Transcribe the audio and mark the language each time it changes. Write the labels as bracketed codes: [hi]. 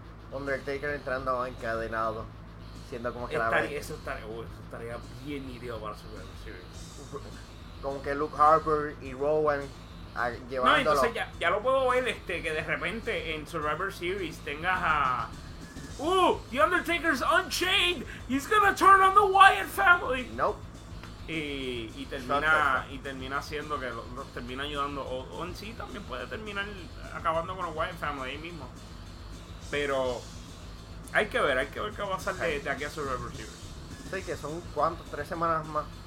[es] Undertaker entrando encadenado, siendo como que estaría, eso estaría bien ideado para Survivor Series. Como que Luke Harper y Rowan llevándolo. No, entonces ya lo puedo ver, que de repente en Survivor Series tengas a... ¡Uh! [en] The Undertaker's unchained. He's gonna turn on the Wyatt family. Nope. [es] Y termina haciendo que los termina ayudando, o en sí también puede terminar acabando con los Wyatt Family ahí mismo. Pero hay que ver qué va a salir de aquí a Survivor Series. Sí, que son cuántos, 3 semanas más.